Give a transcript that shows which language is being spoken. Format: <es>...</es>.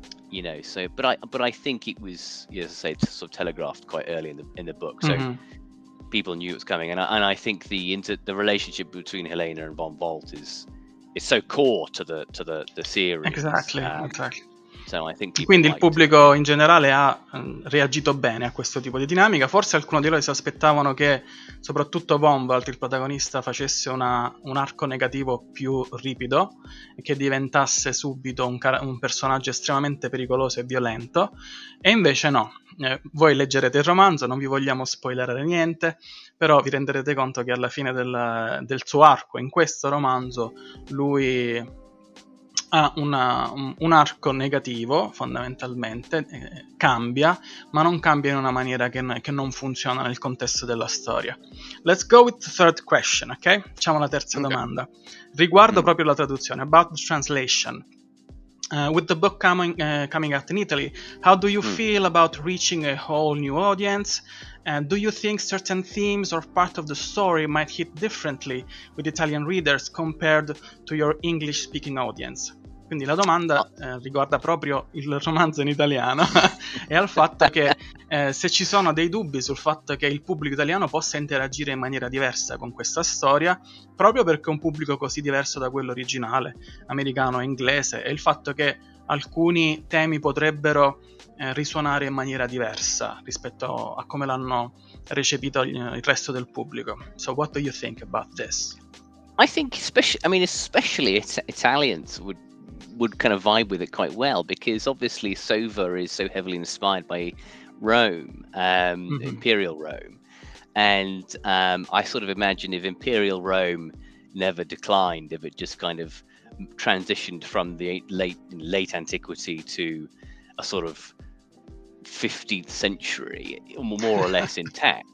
<en>You know, so but I think it was, as I say, sort of telegraphed quite early in the book, so people knew it was coming. And I think the relationship between Helena and Von Vaught is so core to the series. Exactly, exactly. So I think</en> <it>quindi il pubblico in generale ha reagito bene a questo tipo di dinamica. Forse alcuni di loro si aspettavano che soprattutto Von Vaught, il protagonista, facesse un arco negativo più ripido e che diventasse subito un personaggio estremamente pericoloso e violento, e invece no. Voi leggerete il romanzo, non vi vogliamo spoilerare niente, però vi renderete conto che alla fine del suo arco in questo romanzo lui ha un arco negativo, fondamentalmente, cambia, ma non cambia in una maniera che non funziona nel contesto della storia.</it> <en>Let's go with the third question, ok?</en> <it>Facciamo la terza domanda. Riguardo proprio la traduzione,</it> <en>about the translation. With the book coming out in Italy, how do you feel about reaching a whole new audience? And do you think certain themes or part of the story might hit differently with Italian readers compared to your English-speaking audience?</en> <it>Quindi la domanda riguarda proprio il romanzo in italiano e al fatto che se ci sono dei dubbi sul fatto che il pubblico italiano possa interagire in maniera diversa con questa storia, proprio perché è un pubblico così diverso da quello originale, americano e inglese, e il fatto che alcuni temi potrebbero risuonare in maniera diversa rispetto a come l'hanno recepito il resto del pubblico.</it> <en>So what do you think about this? I think especially Italians would kind of vibe with it quite well, because obviously Sova is so heavily inspired by Rome, Imperial Rome. And I sort of imagine if Imperial Rome never declined, if it just kind of transitioned from the late antiquity to a sort of 15th century, more or less intact.</en>